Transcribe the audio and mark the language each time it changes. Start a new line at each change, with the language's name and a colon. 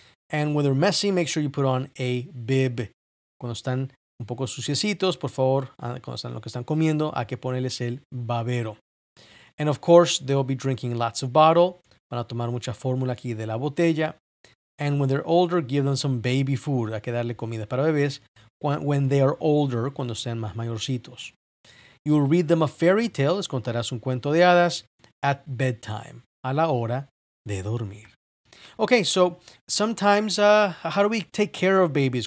English: And when they're messy, make sure you put on a bib.
Spanish: Cuando están un poco suciecitos, por favor, cuando están lo que están comiendo, hay que ponerles el babero.
English: And of course, they'll be drinking lots of bottle.
Spanish: Van a tomar mucha fórmula aquí de la botella.
English: And when they're older, give them some baby food.
Spanish: Hay que darle comida para bebés.
English: When they are older,
Spanish: cuando sean más mayorcitos.
English: You'll read them a fairy tale.
Spanish: Les contarás un cuento de hadas
English: at bedtime.
Spanish: A la hora de dormir.
English: Okay, so sometimes, how do we take care of babies?